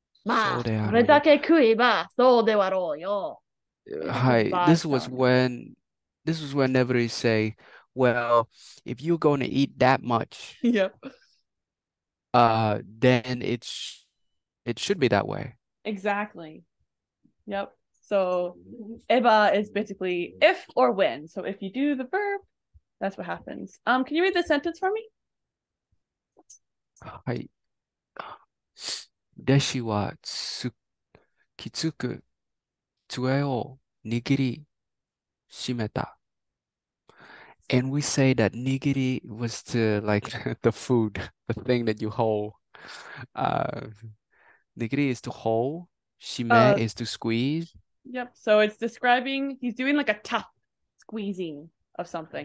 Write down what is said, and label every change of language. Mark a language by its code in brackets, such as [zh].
[ja] まあそれだけ食えばそうであろうよ。 [en] はい、this was when everybody say, well, if you're going to eat that much, yep. Then it should be that way. Exactly. Yep. So eba is basically if or when. So if you do the verb, that's what happens. Can you read the sentence for me? [ja] はい。弟子はきつく杖を握りしめた。 [en] And we say that nigiri was to like the food, the thing that you hold. Nigiri is to hold, shime is to squeeze. Yep, so it's describing, he's doing like a tough squeezing of something.